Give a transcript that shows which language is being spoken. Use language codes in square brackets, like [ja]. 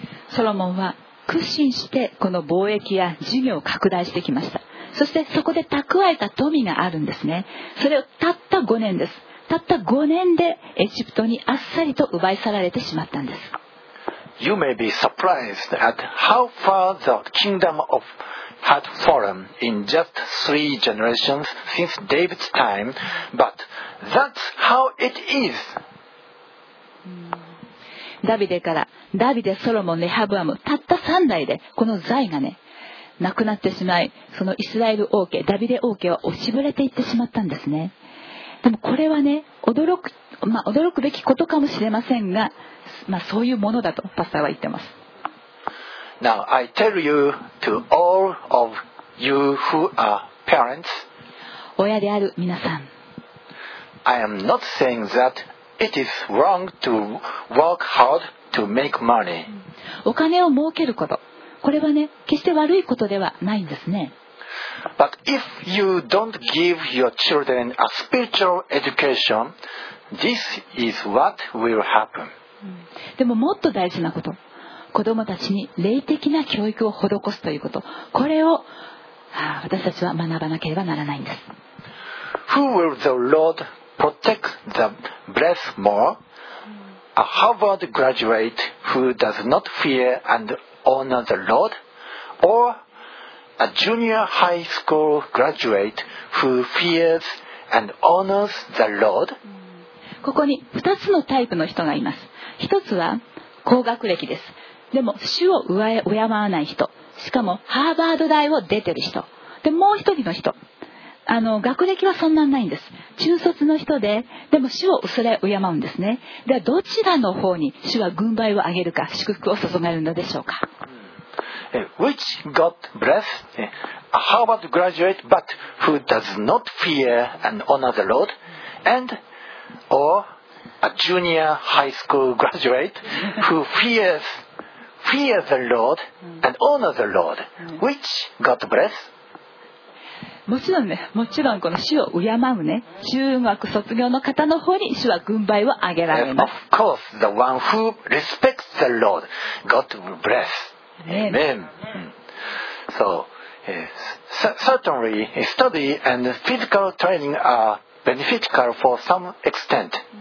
[ja] ソロモンは苦心してこの貿易や事業を拡大してきました。そしてそこで蓄えた富があるんですね。それをたった5年です。たった5年でエジプトにあっさりと奪い去られてしまったんです。 [en] You may be surprised at how far the kingdom ofhad fallen in just 3 generations since David's time, but that's how it is. [ja] ダビデからダビデ、ソロモン、レハブアム、たった3代でこの財がね、なくなってしまい、そのイスラエル王家、ダビデ王家は押しぶれていってしまったんですね。でもこれはね、驚くべきことかもしれませんが、まあ、そういうものだとパスターは言ってます。 [en] Now I tell you to all of you who are parents, [ja] 親である皆さん、 [en] I am not saying that it is wrong to work hard to make money. [ja] お金を儲けること、これはね、決して悪いことではないんですね。 [en] But if you don't give your children a spiritual education, this is what will happen. [ja] でももっと大事なこと、子どもたちに霊的な教育を施すということ、これを、私たちは学ばなければならないんです。 [en] Who will the Lord protect the blessed more? A Harvard graduate who does not fear and honor the Lord? Or a junior high school graduate who fears and honors the Lord? [ja] ここに2つのタイプの人がいます。1つは高学歴です。でも主を敬わない人、しかもハーバード大を出てる人で、もう一人の人、あの学歴はそんなんないんです。中卒の人で、でも主を恐れ敬うんですね。ではどちらの方に主は軍配を上げるか、祝福を注がれるのでしょうか。 [en] Which God bless a Harvard graduate but who does not fear and honor the Lord and or a junior high school graduate who fears the Lord and honor the Lord. Which God bless? [ja] もちろんね、もちろんこの主を敬うね、中学卒業の方の方に主は軍配を上げられます。 [en] Of course, the one who respects the Lord, God will bless. Amen. So, certainly, study and physical training are beneficial for some extent.